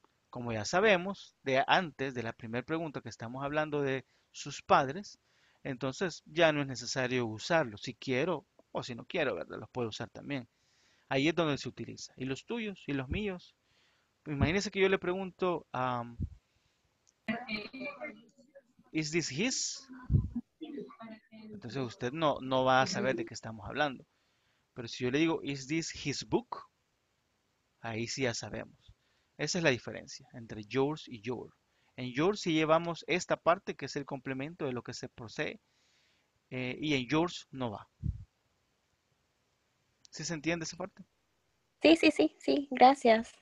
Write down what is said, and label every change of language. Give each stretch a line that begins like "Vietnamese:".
Spanish: Como ya sabemos, de antes de la primera pregunta que estamos hablando de sus padres, entonces ya no es necesario usarlo, si quiero o si no quiero, ¿verdad? Los puedo usar también. Ahí es donde se utiliza. ¿Y los tuyos? ¿Y los míos? Imagínese que yo le pregunto,
English: is this his?
Spanish: Entonces usted no va a saber de qué estamos hablando. Pero si yo le digo,
English: is this his book?
Spanish: Ahí sí ya sabemos. Esa es la diferencia entre yours y your. En yours sí llevamos esta parte que es el complemento de lo que se posee. Y en yours no va. ¿Sí se entiende esa parte? Sí. Gracias.